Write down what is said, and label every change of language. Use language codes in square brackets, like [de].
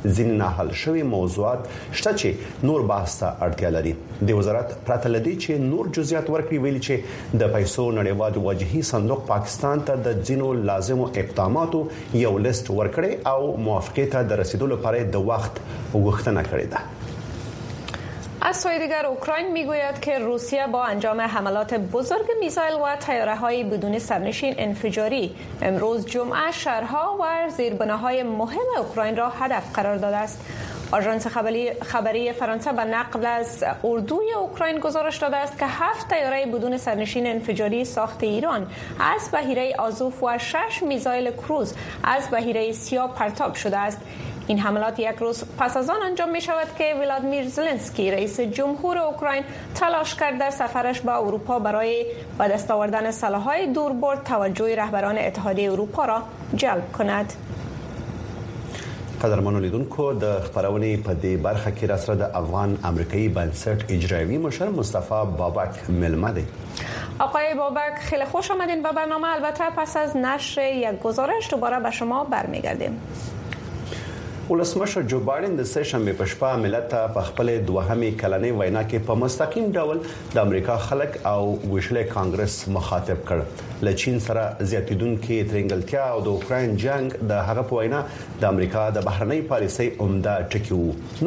[ps] زین نه حل شوی موضوعات شته چې نور بحثه اړتیا لري د وزارت پرته لدی چې نور جزئیات ورکړي ویل چې د پیسو نړیوال وجهي صندوق پاکستان ته د جنو لازمو اقداماتو یو لیست ورکړي او موافقه ته رسیدو لپاره د وخت وغوښتنه کړې ده [fa] از سوی دیگر اوکراین میگوید که روسیه با انجام حملات بزرگ میزایل و طیاره های بدون سرنشین انفجاری امروز جمعه شهرها و زیربناهای مهم اوکراین را هدف قرار داده است. آژانس خبری فرانسه به نقل از اردوی اوکراین گزارش داده است که 7 طیاره بدون سرنشین انفجاری ساخت ایران از بحیره آزوف و 6 میزایل کروز از بحیره سیاه پرتاب شده است. این حملات یک روز پس از آن انجام می شود که ولادیمیر زلنسکی رئیس جمهور اوکراین تلاش کرد در سفرش به اروپا برای به دست آوردن سلاح‌های دوربرد توجه رهبران اتحادیه اروپا را جلب کند. [ps] قدرمنو لیدونکو د خبرونه په دې برخه کې را سره د افغان امریکایي بنسټ اجرایی مشر مصطفی بابک ملمدی. [fa] آقای بابک خیلی خوش آمدین به برنامه. البته پس از نشر یک گزارش دوباره به شما برمیگردیم. [ps] ولسمشر جو بایدن د سه‌شنبه په شپه ملت په خپل دوهمه کلنې وینا کې په مستقیم ډول د امریکا خلک او وشلې کانګرس مخاطب کړ. له چین سره زیاتیدونکو ترنګلتیا او د اوکراین جنگ د هغه په وینا د امریکا د بهرنۍ پالیسۍ عمده ټکی وو.